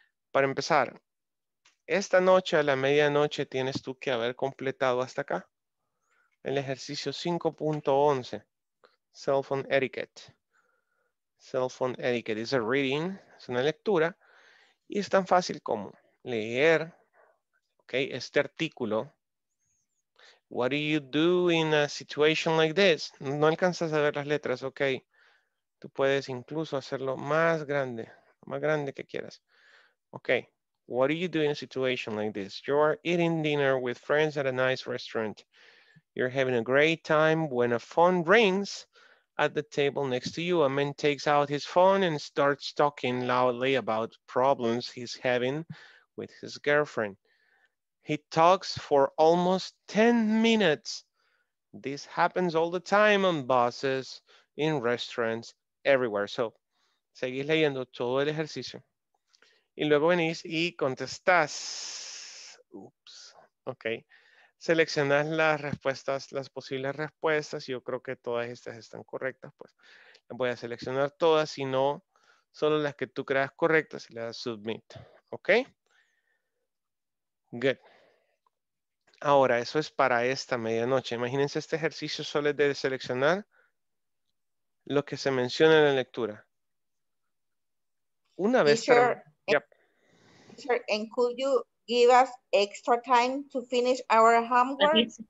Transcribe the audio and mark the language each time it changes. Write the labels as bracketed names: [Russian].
[Spanish] Para empezar, esta noche a la medianoche tienes tú que haber completado hasta acá el ejercicio 5.11, cell phone etiquette. [English] Cell phone etiquette is a reading, [Spanish] es una lectura, y es tan fácil como leer, okay, este artículo. [English] What do you do in a situation like this? [Spanish] No alcanzas a ver las letras, okay. Tú puedes incluso hacerlo más grande que quieras, okay. [English] What do you do in a situation like this? You are eating dinner with friends at a nice restaurant. You're having a great time when a phone rings at the table next to you. A man takes out his phone and starts talking loudly about problems he's having with his girlfriend. He talks for almost 10 minutes. This happens all the time on buses, in restaurants, everywhere. [Spanish] So, seguís leyendo todo el ejercicio. Y luego venís y contestás. Oops. Ok. Seleccionas las respuestas, las posibles respuestas. Yo creo que todas estas están correctas. Pues voy a seleccionar todas. Si no, solo las que tú creas correctas y le das submit. Ok. Good. Ahora, eso es para esta medianoche. Imagínense, este ejercicio solo es de seleccionar lo que se menciona en la lectura. Una vez. [English] Sir, and could you give us extra time to finish our homework?